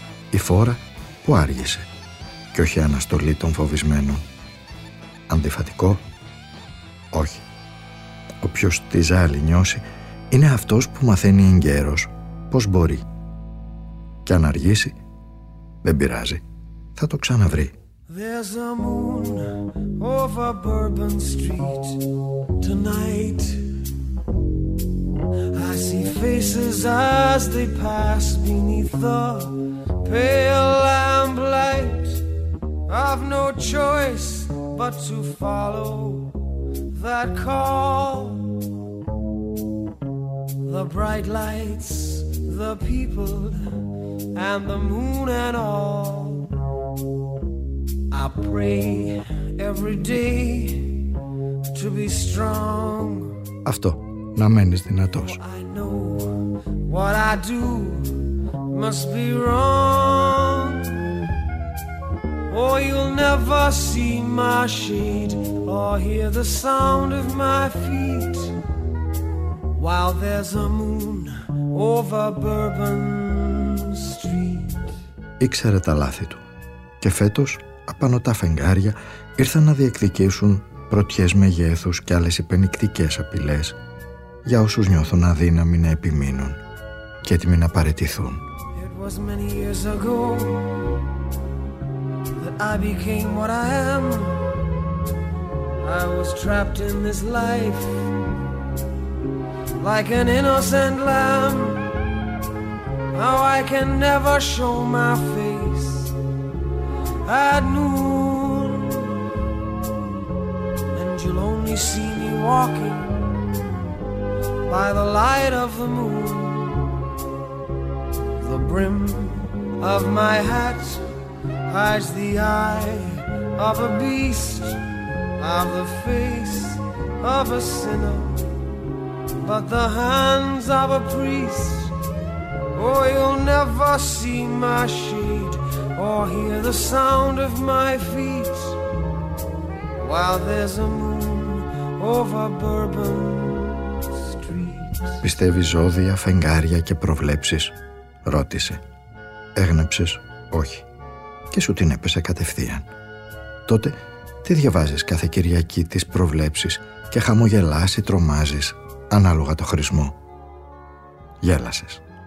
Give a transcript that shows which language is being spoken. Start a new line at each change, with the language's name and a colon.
Greek: Η φόρα που άργησε και όχι αναστολή των φοβισμένων. Αντιφατικό? Όχι. Όποιος τη ζάλη νιώσει είναι αυτός που μαθαίνει εγκαίρος πώς μπορεί. Και αν αργήσει, δεν πειράζει, θα το ξαναβρει.
English: There's a moon over Bourbon Street tonight. I see faces as they pass beneath the pale lamplight. I've no choice but to follow the that call. The bright lights, the people, and the moon and all. I pray every day to be strong.
Greek: Αυτό, να μένεις δυνατός.
English: I know what I do must be wrong. Oh, you'll never see my shade or hear the sound of my feet while there's a moon over Bourbon Street.
Greek: Ήξερε τα λάθη του. Και φέτος, απάνω τα φεγγάρια ήρθαν να διεκδικήσουν πρωτιές μεγέθους και άλλες υπαινικτικές απειλές για όσους νιώθουν αδύναμοι να επιμείνουν και έτοιμοι να παραιτηθούν.
English: It was many years ago that I became what I am. I was trapped in this life like an innocent lamb. Now I can never show my face at noon, and you'll only see me walking by the light of the moon. The brim of my hat hides the eye of a beast, of the face of a sinner, but the hands of a priest. Oh, you'll never see my shade or hear the sound of my feet while there's a moon over Bourbon Street.
Greek: Πιστεύεις ζώδια, φεγγάρια και προβλέψεις? Ρώτησε. Έγνεψες? Όχι. Και σου την έπεσε κατευθείαν. Τότε τι διαβάζεις κάθε Κυριακή τις προβλέψεις και χαμογελάς ή τρομάζεις ανάλογα το χρησμό? Γέλασες.